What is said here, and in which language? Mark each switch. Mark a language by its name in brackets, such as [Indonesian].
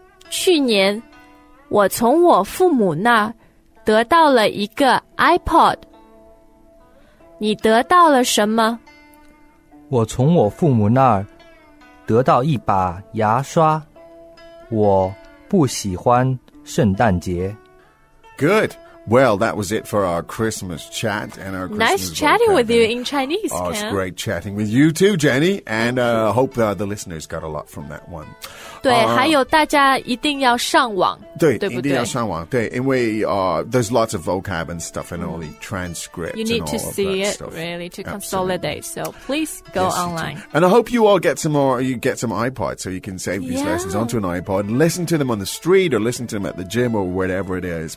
[Chinese] 去年，我从我父母那得到了一个 iPod。你得到了什么？我从我父母那儿得到一把牙刷。我不喜欢圣诞节。 [English] Good. Well, that was it for our Christmas chat and our Christmas Nice chatting with you in Chinese, Oh, it's great chatting with you too, Jenny. And I hope the listeners got a lot from that one. [Chinese] 对,还有大家一定要上网。对, 对不对? 一定要上网。 [English] 对,因为 there's lots of vocab and stuff and all the transcripts and all of that stuff. You need to see it, really, to consolidate. So please go online. And I hope you all get some iPods so you can save these lessons onto an iPod and listen to them on the street or listen to them at the gym or whatever it is.